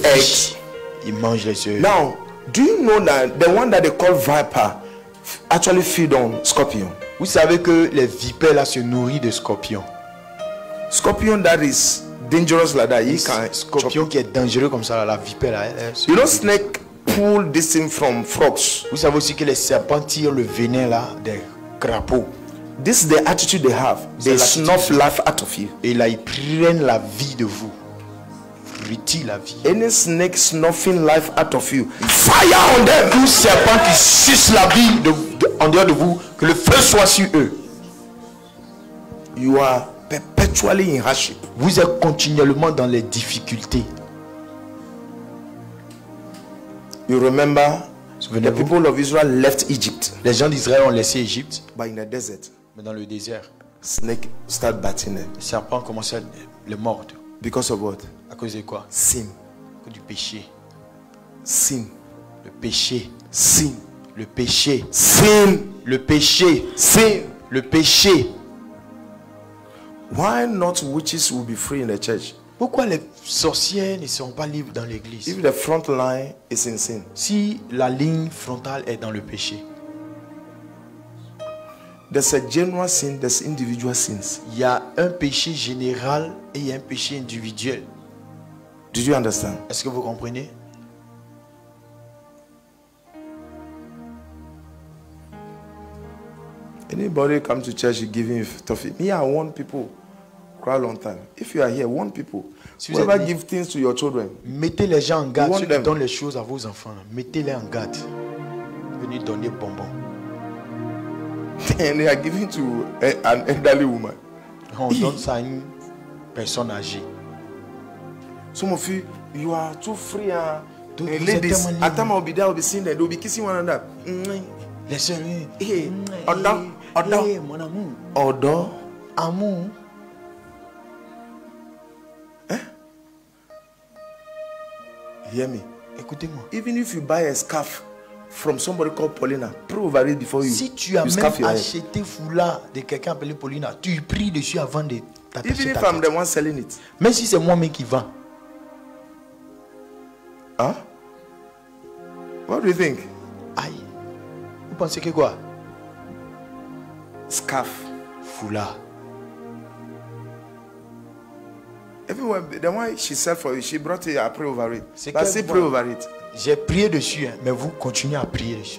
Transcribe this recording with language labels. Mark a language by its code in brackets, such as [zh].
[en] egg. [fr] Il mange les œufs. [en] Now, do you know that the one that they call viper actually feed on scorpion? [fr] Vous savez que les vipères là se nourrissent de scorpions. [en] Scorpion that is dangerous like that. He can [fr] scorpion qui est dangereux comme ça, la vipère là. [en] You know snake pull this thing from frogs. [fr] Vous savez aussi que les serpents tirent le venin là des crapauds. [en] This is the attitude they have. They snuff life out of you. [fr] Et là ils prennent la vie de vous. Retirent la vie. [en] Any snake snuffing life out of you. Fire on them. [fr] Tout serpent qui suce la vie de en dehors de vous, que le feu soit sur eux. [en] You are perpetually in hardship. [fr] Vous êtes continuellement dans les difficultés. [en] You remember, the people of Israel left Egypt. [fr] Les gens d'Israël ont laissé Égypte. [en] But in the desert, [fr] mais dans le désert, [en] snake start biting them. [fr] Le serpent commençait à les mordre. [en] Because of what? [fr] À cause de quoi? [en] Sin. [fr] À cause du péché. [en] Sin. [fr] Le péché. [en] Sin. [fr] Le péché. [en] Sin. [fr] Le péché. [en] Sin. [fr] Le péché. [en] Why not witches will be free in the church? [fr] Pourquoi les sorcières ne sont pas libres dans l'église? [en] If the front line is in sin. [fr] Si la ligne frontale est dans le péché. [en] There's a general sin, there's individual sins. [fr] Il y a un péché général et un péché individuel. [en] Do you understand? [fr] Est-ce que vous comprenez? [en] Anybody come to church giving toffee? Me, I want people cry long time. If you are here, want people. [fr] Si vous [en] whoever give things to your children. [fr] Mettez les gens en garde. Ceux qui donnent les choses à vos enfants. Mettez-les en garde. Venez donner bonbon. [en] And they are giving to an elderly woman. [fr] On donne ça à une personne âgée. [en] Some of you are too free. [fr] Donc, [en] and ladies, at time I'll be there, I'll be seeing them, they'll be kissing one another. [fr] Laissez-le. Hey, mon amour. [en] Odor. [fr] Amour. Hein? [en] Hear me. [fr] Écoutez-moi. [en] Even if you buy a scarf from somebody called Paulina, pray over it before you. [fr] Si tu as même acheté foulard de quelqu'un appelé Paulina, tu pries dessus avant de t'attacher. [en] Even if I'm the one selling it. [fr] Même si c'est moi-même qui vends. Hein? [en] What do you think? [fr] Aïe. Vous pensez que quoi? [en] Scarf. [fr] Foulard. [en] Everyone, the one she sell for you, she brought it, I pray over it. [fr] C'est [en] but I say pray over it. [fr] J'ai prié dessus, hein, mais vous continuez à prier dessus.